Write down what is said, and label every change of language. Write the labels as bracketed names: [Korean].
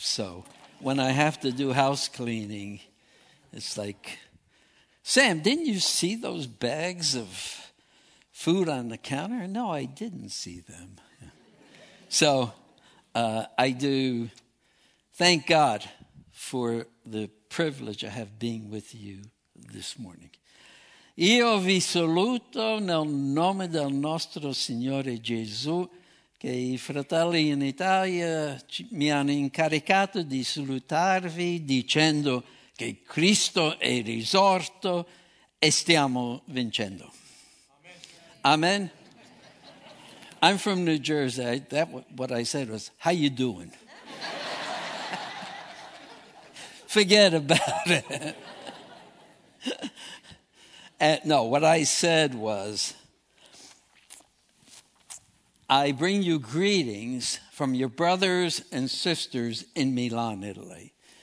[English] So when I have to do house cleaning, it's like, Sam, didn't you see those bags of food on the counter? No, I didn't see them. So I do thank God for the privilege I have being with you this morning. [Italian] Io vi saluto nel nome del nostro Signore Gesù, che I fratelli in Italia mi hanno incaricato di salutarvi dicendo che Cristo è risorto e stiamo vincendo. [English] Amen. Amen. I'm from New Jersey. That what I said was, how you doing? Forget about it. No, what I said was, I bring you greetings from your brothers and sisters in Milan, Italy.